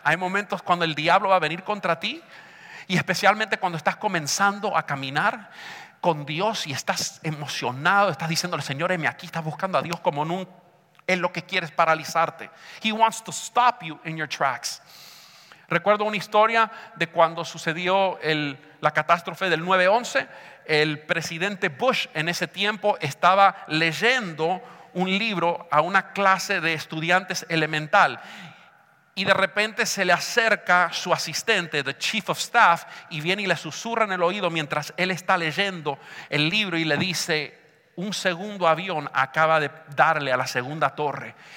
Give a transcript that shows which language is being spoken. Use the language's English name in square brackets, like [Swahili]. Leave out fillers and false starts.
[Spanish] Hay momentos cuando el diablo va a venir contra ti, y especialmente cuando estás comenzando a caminar con Dios y estás emocionado, estás diciéndole, Señor, heme aquí, estás buscando a Dios como nunca. Él lo que quiere es paralizarte. [English] He wants to stop you in your tracks. [Spanish] Recuerdo una historia de cuando sucedió la catástrofe del 9-11. El presidente Bush en ese tiempo estaba leyendo un libro a una clase de estudiantes elemental. Y de repente se le acerca su asistente, [English] the chief of staff, [Spanish] y viene y le susurra en el oído mientras él está leyendo el libro y le dice, un segundo avión acaba de darle a la segunda torre.